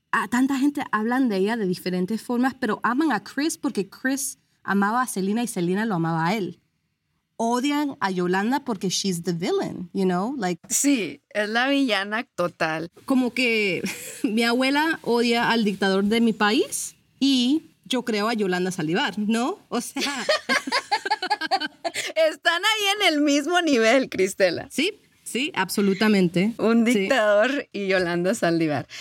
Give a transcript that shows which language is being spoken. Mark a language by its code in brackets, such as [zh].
[es] tanta gente hablan de ella de diferentes formas, pero aman a Chris porque Chris amaba a Selena y Selena lo amaba a él. Odian a Yolanda porque [en] she's the villain, you know? Like, [es] sí, es la villana total. Como que mi abuela odia al dictador de mi país y yo creo a Yolanda Saldívar, ¿no? O sea... Están ahí en el mismo nivel, Cristela. Sí, sí, absolutamente. Un dictador sí. Y Yolanda Saldívar.